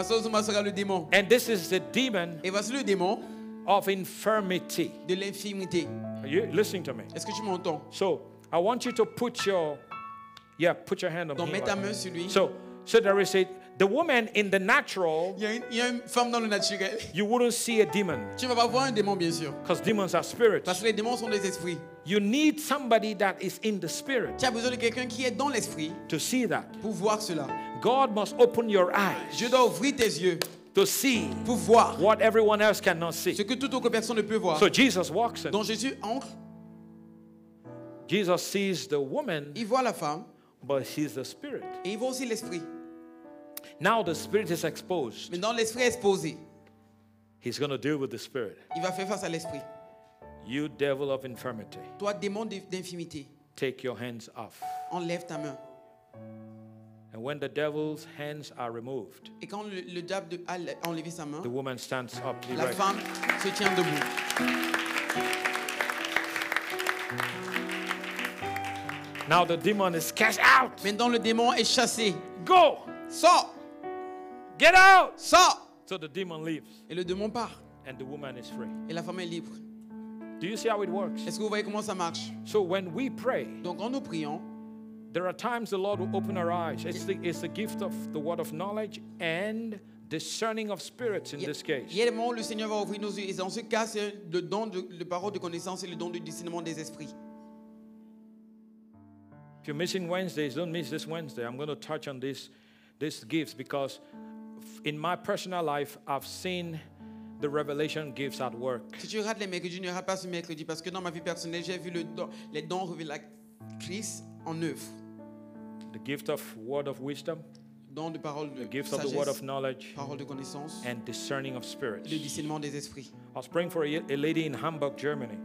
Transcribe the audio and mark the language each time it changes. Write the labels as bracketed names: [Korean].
[French] Pastor Osama sera le démon. [English] And this is the demon. [French] Et voici le démon. [English] Of infirmity. [French] De l'infirmité. [English] Are you listening to me? [French] Est-ce que tu m'entends? [English] So I want you to put your hand on [French] donc, [English] me. [French] Mets ta main sur lui. [English] So there is a the woman in the natural. [French] Il y a une femme dans le naturel. [English] You wouldn't see a demon. [French] Tu vas pas voir un démon, bien sûr. [English] Because demons are spirits. [French] Parce que les démons sont des esprits. [English] You need somebody that is in the spirit. [French] Tu as besoin de quelqu'un qui est dans l'esprit. [English] To see that. [French] Pour voir cela. [English] God must open your eyes. [French] Je dois ouvrir tes yeux. [English] To see. [French] Pour voir. [English] What everyone else cannot see. [French] Ce que toute autre personne ne peut voir. [English] So Jesus walks in. [French] Donc Jésus entre. [English] Jesus sees the woman. [French] Il voit la femme. [English] But he sees the spirit. [French] Et il voit aussi l'esprit. [English] Now the spirit is exposed. [French] Maintenant l'esprit est exposé. [English] He's going to deal with the spirit. [French] Il va faire face à l'esprit. [English] You devil of infirmity. [French] Toi démon d'infirmité. [English] Take your hands off. [French] Enlève ta main. [English] And when the devil's hands are removed. [French] Et quand le diable a enlevé sa main. [English] The woman stands up. [French] La femme se tient debout. [English] Now the demon is cast out. [French] Maintenant le démon est chassé. [English] Go. [French] Sors. [English] Get out. [French] Sors. [English] So the demon leaves. [French] Et le démon part. [English] And the woman is free. [French] Et la femme est libre. [English] Do you see how it works? [French] Est-ce que vous voyez comment ça marche? [English] So when we pray, [French] donc quand nous prions, [English] there are times the Lord will open our eyes. It's the gift of the word of knowledge and discerning of spirits in this case. [French] Il y a des moments où le Seigneur va ouvrir nos yeux. Et dans ce cas, c'est le don de parole de connaissance et le don du discernement des esprits. [English] If you're missing Wednesdays, don't miss this Wednesday. I'm going to touch on these gifts because in my personal life, I've seen the revelation gifts at work. [French] Si tu rates les mercredis, ne rate pas ce mercredi parce que dans ma vie personnelle, j'ai vu les dons révélatrices en œuvre. [English] The gift of word of wisdom. [French] don de paroles de [English] the gift of the word of knowledge [French] de connaissance, [English] and discerning of spirits. [French] Le discernement des esprits. [English] I was praying for a lady in Hamburg, Germany.